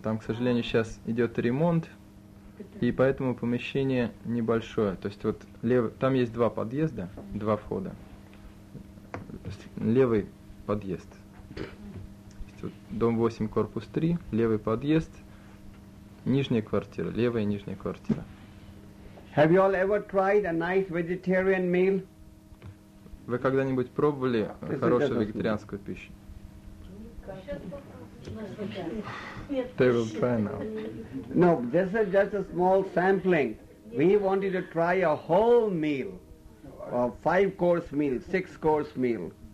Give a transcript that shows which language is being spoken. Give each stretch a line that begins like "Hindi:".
Russian: Там, к сожалению, сейчас идет ремонт. И поэтому помещение небольшое. То есть вот там есть два подъезда, два входа. Левый подъезд. Дом 8, корпус 3, левый подъезд, нижняя квартира, левая и нижняя квартира.
English: Have you all ever tried a nice vegetarian meal?
Russian: Вы когда-нибудь пробовали хорошую вегетарианскую пищу?
English: They will try now. No, this is just a small sampling. We wanted to try a whole meal, a five-course meal, six-course meal.